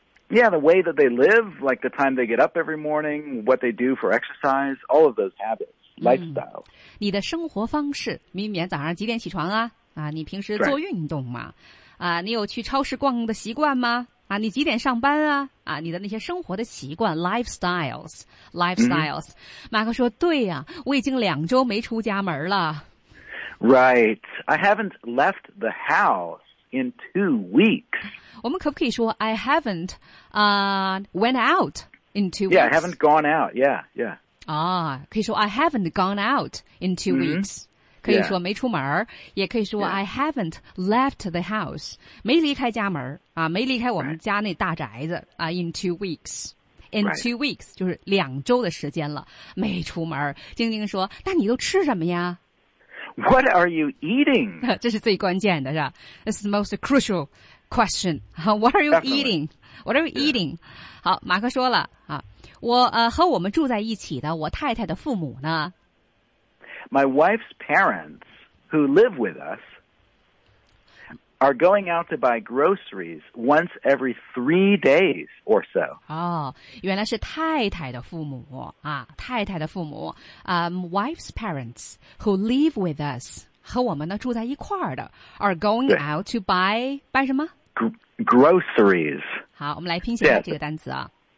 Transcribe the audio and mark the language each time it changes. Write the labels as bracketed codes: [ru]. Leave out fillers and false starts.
[en] Yeah, the way that they live, like the time they get up every morning, what they do for exercise, all of those habits, lifestyles. [zh] 你的生活方式，明天早上几点起床啊？啊，你平时做运动吗？ [en] Right. [zh] 啊，你有去超市逛的习惯吗？啊，你几点上班啊？啊，你的那些生活的习惯 ，lifestyles。 Mm-hmm. 马克说：“对呀、啊，我已经两周没出家门了。” [en] Right, I haven't left the house in 2 weeks. [zh] 我们可不可以说 [en] I haven't went out in 2 weeks? Yeah, I haven't gone out. Yeah. [zh] 啊，可以说 [en] I haven't gone out in 2 weeks.、 Mm-hmm. [zh] 可以说没出门、 yeah. 也可以说、 yeah. [en] I haven't left the house, [zh] 没离开家门啊，没离开我们家那大宅子、 [en] right. [zh] 啊 [en] in 2 weeks. In 2 weeks, [zh] 就是两周的时间了没出门。晶晶说那你都吃什么呀 [en] ?What are you eating? [zh] 这是最关键的是吧 [en] ?This is the most crucial question. What are you、 Definitely. eating? What are you eating?、 Yeah. [zh] 好马克说了啊我和我们住在一起的我太太的父母呢 [en] My wife's parents, who live with us, are going out to buy groceries once every 3 days or so. [zh] 哦，原来是太太的父母啊，太太的父母。 [en] Wife's parents, who live with us, [zh] 和我们呢住在一块儿的 [en] are going out to buy [zh] 什么 [en] groceries. [zh] 好，我们来拼写这个单词啊。